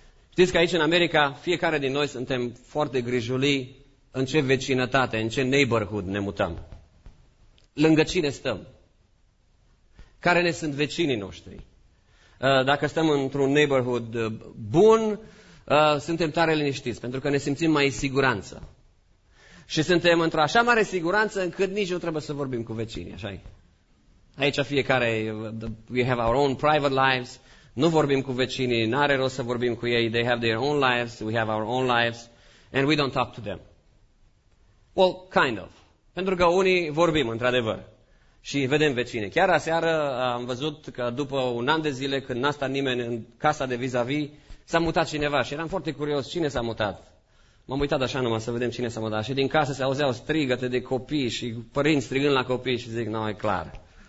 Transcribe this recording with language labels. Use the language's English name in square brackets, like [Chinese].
[Romanian] Știți că aici în America, fiecare din noi suntem foarte grijulii în ce vecinătate, în ce neighborhood ne mutăm. Lângă cine stăm? Care ne sunt vecinii noștri? Dacă stăm într-un neighborhood bun, suntem tare liniștiți, pentru că ne simțim mai în siguranță. Și suntem într-o așa mare siguranță încât nici nu trebuie să vorbim cu vecinii, așa-i? Aici fiecare, [English] we have our own private lives. [Romanian] Nu vorbim cu vecinii, n-are rost să vorbim cu ei. [English] They have their own lives, we have our own lives, and we don't talk to them. Well, kind of. [Romanian] Pentru că unii vorbim, într-adevăr, și vedem vecinii. Chiar aseară am văzut că după un an de zile, când n-a stat nimeni în casa de vis-a-vis, s-a mutat cineva și eram foarte curios cine s-a mutat. M-am uitat așa numai să vedem cine s-a mutat. Și din casă se auzeau strigăte de copii și părinți strigând la copii și zic, nu, e clar.